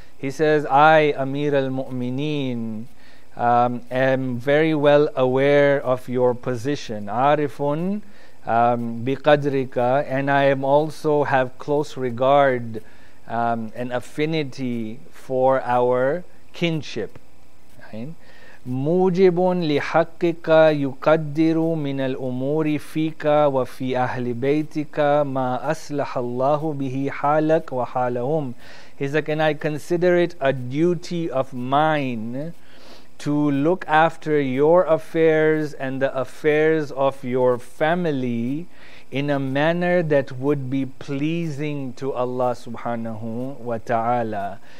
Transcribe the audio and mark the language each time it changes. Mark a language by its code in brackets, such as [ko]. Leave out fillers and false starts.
[en] He says, I, Amir al-Mu'mineen, am very well aware of your position. [ar] عارف بقدرك, [en] and I am also have close regard and affinity for our kinship. [ar] موجب لحقك يقدر من الأمور فيك وفي أهل بيتك ما أصلح الله به حالك وحالهم. [en] He's like, and I consider it a duty of mine to look after your affairs and the affairs of your family in a manner that would be pleasing to Allah subhanahu wa ta'ala.